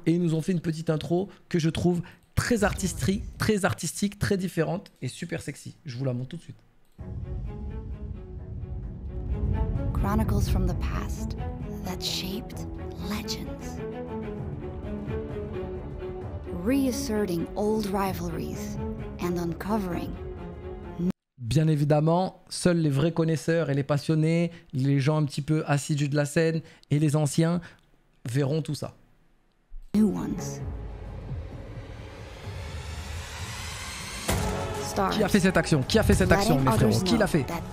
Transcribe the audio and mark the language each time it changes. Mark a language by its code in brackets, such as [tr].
[fr] Et ils nous ont fait une petite intro que je trouve très artistique, très différente et super sexy. Je vous la montre tout de suite. [en] Chronicles from the past that shaped legends. Reasserting old rivalries and uncovering. [fr] Bien évidemment, seuls les vrais connaisseurs et les passionnés, les gens un petit peu assidus de la scène et les anciens verront tout ça. [en] New ones. [fr] Qui a fait cette action? Qui a fait cette action, mes frérots? Qui l'a fait?